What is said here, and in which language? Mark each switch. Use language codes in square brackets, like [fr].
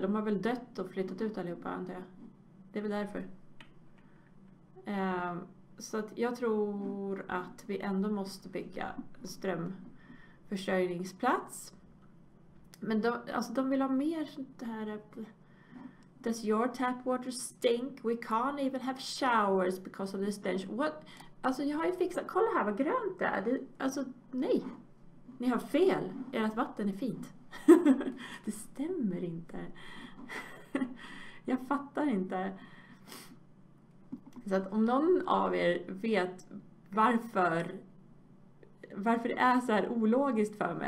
[sv] De har väl dött och flyttat ut allihopa, antar jag. Det är väl därför. Så att jag tror att vi ändå måste bygga strömförsörjningsplats. Men alltså de vill ha mer sånt här. [en] Does your tap water stink? We can't even have showers because of the stench. [sv] What? Alltså jag har ju fixat. Kolla här vad grönt det är. Alltså nej. Ni har fel. Ert vatten är fint. Det stämmer inte. Jag fattar inte. Så att om någon av er vet varför det är så här ologiskt för mig.